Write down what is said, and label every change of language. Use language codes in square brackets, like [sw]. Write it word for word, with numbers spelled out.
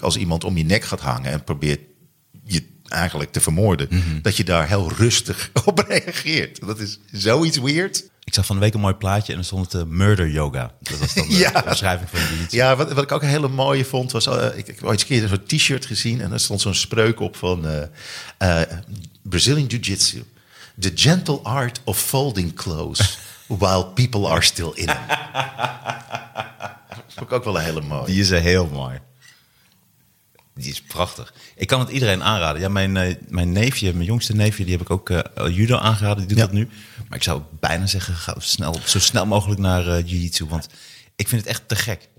[nl] als iemand om je nek gaat hangen en probeert je eigenlijk te vermoorden. Mm-hmm. Dat je daar heel rustig op reageert. Dat is zoiets weird... Ik zag van de week een mooi plaatje en er stond uh, [en] murder yoga. [nl] Dat was dan de ja. omschrijving van die iets. Ja, wat, wat ik ook een hele mooie vond was... Uh, ik, ik heb ooit een keer zo'n t-shirt gezien... en daar stond zo'n spreuk op van... Uh, uh, Brazilian Jiu-Jitsu. [en] The gentle art of folding clothes... while people are still in them. [nl] Dat vond ik ook wel een hele mooie. Die is heel mooi. Die is prachtig. Ik kan het iedereen aanraden. Ja, mijn, uh, mijn neefje, mijn jongste neefje, die heb ik ook uh, judo aangeraden. Die doet ja. dat nu. Maar ik zou bijna zeggen, ga snel, zo snel mogelijk naar uh, jiu-jitsu. Want ik vind het echt te gek.